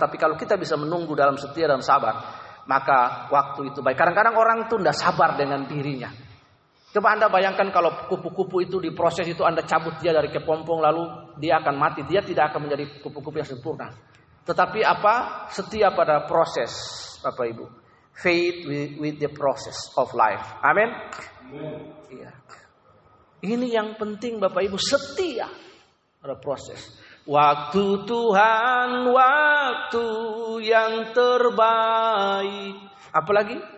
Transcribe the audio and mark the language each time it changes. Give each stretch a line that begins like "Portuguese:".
Indonesian: Tapi kalau kita bisa menunggu dalam setia dan sabar, maka waktu itu baik. Kadang-kadang orang itu tidak sabar dengan dirinya. Coba Anda bayangkan kalau kupu-kupu itu diproses, itu Anda cabut dia dari kepompong lalu dia akan mati. Dia tidak akan menjadi kupu-kupu yang sempurna. Tetapi apa? Setia pada proses, Bapak Ibu.
English: Faith with the process of life.
Indonesian: Amin. Ya. Ini yang penting, Bapak Ibu, setia pada proses. Waktu Tuhan, waktu yang terbaik. Apalagi?